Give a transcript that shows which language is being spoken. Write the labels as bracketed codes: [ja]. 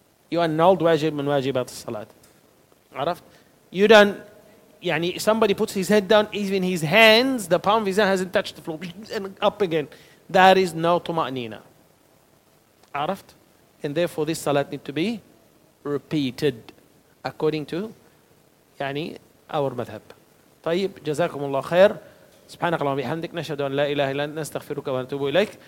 [en] You are annulled [ar] واجب من واجبات الصلاة. عرفت؟ [en] You don't. يعني somebody puts his head down, even his hands, the palm of his hand hasn't touched the floor, and up again. That is no طمأنينة. [ar] عرفت؟ [en] And therefore this salat need to be repeated according to يعني our madhab. [ar] طيب جزاكم الله خير. سبحانك اللهم وبحمدك نشهد أن لا إله إلا أنت نستغفرك ونتوب إليك.